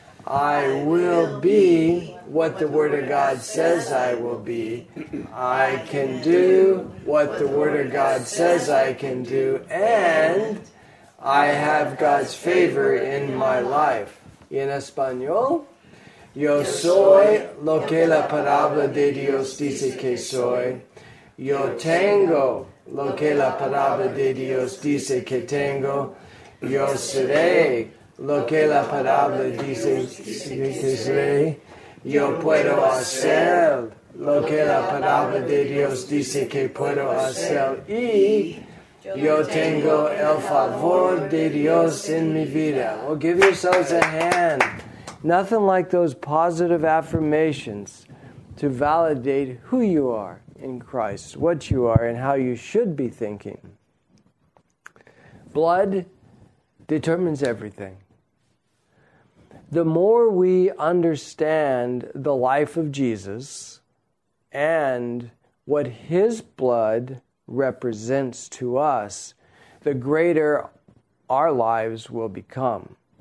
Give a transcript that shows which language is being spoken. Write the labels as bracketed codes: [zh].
[en] I will be what the Word of God says I will be. I can do what the Word of God says I can do. And I have God's favor in my life. In Espanol? [es] Yo soy lo que la palabra de Dios dice que soy. Yo tengo lo que la palabra de Dios dice que tengo. Yo seré lo que la palabra dice que seré. Yo puedo hacer lo que la palabra de Dios dice que puedo hacer. Y yo tengo el favor de Dios en mi vida. [en] Well, give yourselves a hand. Nothing like those positive affirmations to validate who you are in Christ, what you are, and how you should be thinking. Blood determines everything. The more we understand the life of Jesus and what His blood represents to us, the greater our lives will become.